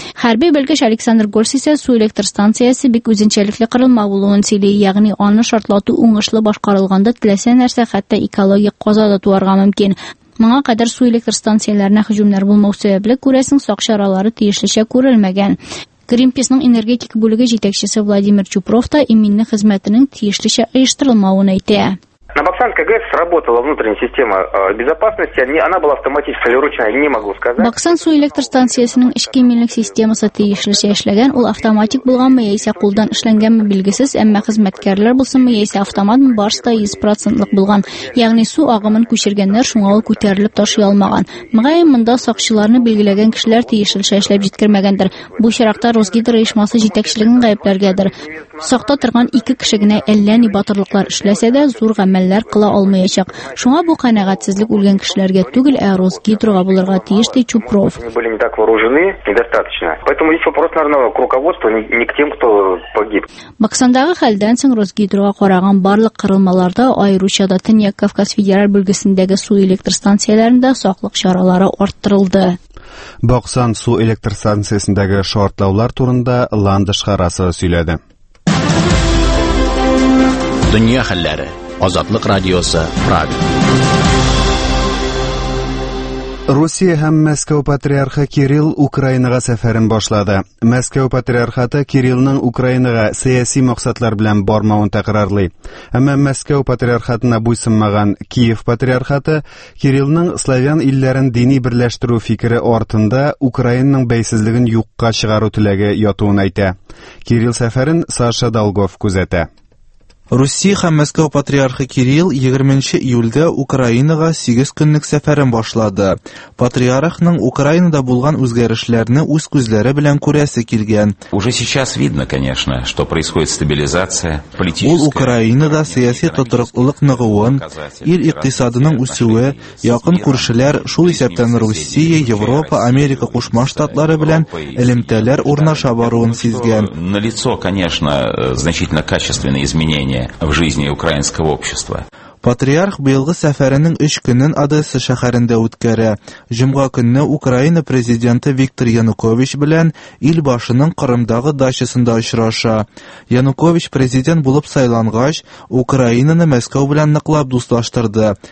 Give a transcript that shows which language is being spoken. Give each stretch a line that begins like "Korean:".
Tatar: Хәрби белгеч Александр Горс исә су электр станциясе бик үзенчәлекле корылма булуын сөйли, ягъни аны шартлату уңышлы башкарылганда теләсә нәрсә хәтта экологик каза да туарга мөмкин. Моңа кадәр су электр станцияләренә һөҗүмнәр булмау сәбәпле, күрәсең, сак чаралары тиешлечә күрелмәгән. Greenpeace-ның энергетик бүлеге җитәкчесе Владимир Чупров та иминлек хезмәтенең тиешлечә оештырылмавын әйтә.
Russian: На Баксанской ГЭС работала внутренняя система безопасности, она была автоматическая или ручная, не могу сказать.
Tatar: Баксан су электр станциясының эшке иминлек системасы тиешлечә эшләгән, ул автоматик булганмы яисә кулдан эшләнгәнме билгесез, әмма хезмәткәрләр булсынмы яисә автоматмы, барысы 100% булган. Ягъни су агымын күчергәннәр шуңа ул күтәрелеп ташый алмаган. Мөгаен монда сакчыларны билгеләгән кешеләр тиешлечә эшләп җиткермәгәндер. Бу чиракта Росгидро ишмасы җитәкчелеген гаепләргәдер. Сакта торган ике кеше генә әллә ни батырлыклар эшләсә дә зур әмәлләр кыла алмаячак. Шуңа бу канагатьсезлек үлгән кешеләргә түгел, ә Росгидрога булырга тиеш ди Чупров.
Russian: Были не так вооружены, недостаточно. Поэтому есть вопрос, наверное, к руководству, не к тем, кто погиб.
Tatar: Баксандагы хәлдән соң Росгидрога караган барлык кырылмаларда аеруча да Төньяк Кавказ федераль бүлгесендәге су электр станцияләрендә саклык чаралары арттырылды. Бақсан су электростанциясындағы шартлаулар турында Ландыш қарасы сөйледі. Дүния хәлләре. Азатлық радиосы Праг. Русия һәм Мәскәү патриархы Кирилл Украинага сәфәрен башлады. Мәскәү патриархаты Кириллның Украинага сәяси максатлар белән бармавын тәкрарлый. Әмма Мәскәү патриархатына буйсынмаган Киев патриархаты Кириллның славян илләрен дини берләштерү фикере артында Украинаның бәйсезлеген юкка чыгару теләге ятуын әйтә. Кирилл сәфәрен Саша Долгов күзәтә. Русия һәм Мәскәү патриархы Кирилл 20 июльдә Украинага 8 көнлек сәфәрен башлады. Патриархның Украинада булган үзгәрешләрне үз күзләре белән күрәсе килгән.
Russian: Уже сейчас видно, конечно, что происходит стабилизация политическая.
Tatar: Ул Украинада сәяси тотрыклылык ныгуын, ил икътисадының үсүе, якын күршеләр, шул исәптән Русия, Европа, Америка Кушма Штатлары белән элемтәләр урнаша баруын сизгән.
Russian: На лицо, конечно, значительно качественные изменения в жизни украинского общества.
Tatar: Патриарх быйылгы сәфәренең 3 көнен Одесса шәһәрендә үткәрә. Җомга көнне Украина президенты Виктор Янукович белән ил башының Кырымдагы дачасында очраша. Янукович президент булып сайлангач, Украинаны Мәскәү белән ныклап дуслаштырды.